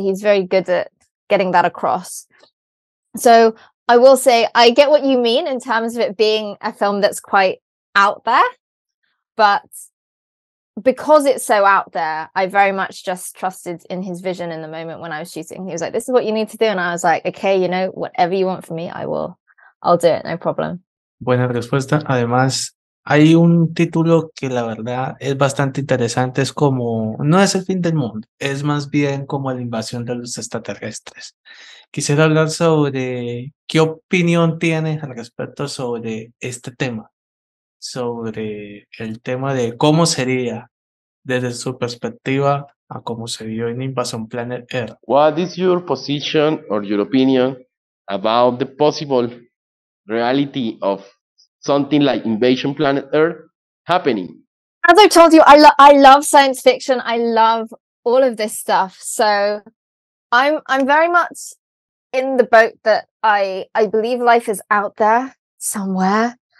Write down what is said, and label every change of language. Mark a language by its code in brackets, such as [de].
[en] He's very good at getting that across. So I will say, I get what you mean in terms of it being a film that's quite out there, but because it's so out there, I very much just trusted in his vision in the moment when I was shooting. He was like, this is what you need to do. And I was like, okay, you know, whatever you want from me, I'll do it, no problem. [es] Buena respuesta. Además, hay un título que la verdad es bastante interesante. Es como, no es el fin del mundo, es más bien como la invasión de los extraterrestres. Quisiera hablar sobre qué opinión tienes al respecto sobre este tema. Sobre el tema de cómo sería desde su perspectiva a cómo se vio en Invasion Planet Earth. [en] What is your position or your opinion about the possible reality of something like Invasion Planet Earth happening? As I told you, I love science fiction. I love all of this stuff. So I'm very much in the boat that I believe life is out there somewhere.